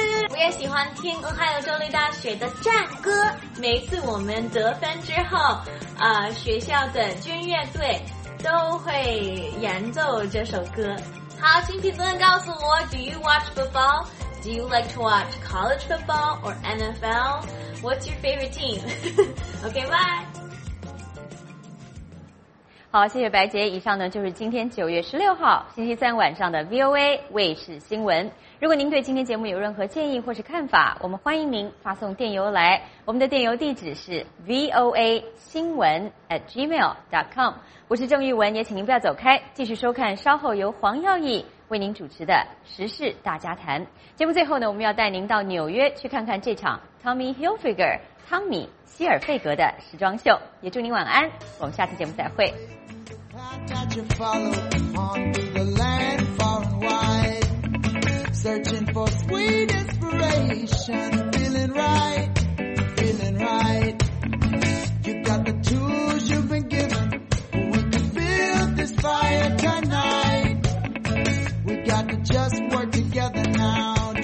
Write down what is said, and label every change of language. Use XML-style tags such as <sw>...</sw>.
<zh>我也喜欢听俄亥俄州立大学的战歌。每次我们得分之后，学校的军乐队都会演奏这首歌。好，请评论告诉我</zh> <en>，Do you watch football? Do you like to watch college football or NFL? What's your favorite team? Okay, bye.</en> <zh>好，谢谢白杰。以上呢就是今天9月16号星期三晚上的 VOA 卫视新闻。如果您对今天节目有任何建议或是看法，我们欢迎您发送电邮来。我们的电邮地址是 voa.gmail.com。我是郑玉文，也请您不要走开，继续收看稍后由黄耀义为您主持的时事大家谈。节目最后呢，我们要带您到纽约去看看这场 Tommy Hilfiger 汤米希尔费格的时装秀。也祝您晚安，我们下期节目再会。</zh> <en>searching for sweet inspiration. Feeling right, feeling right. You got the tools you've been given. We can build this fire tonight. We got to just work together now.</en>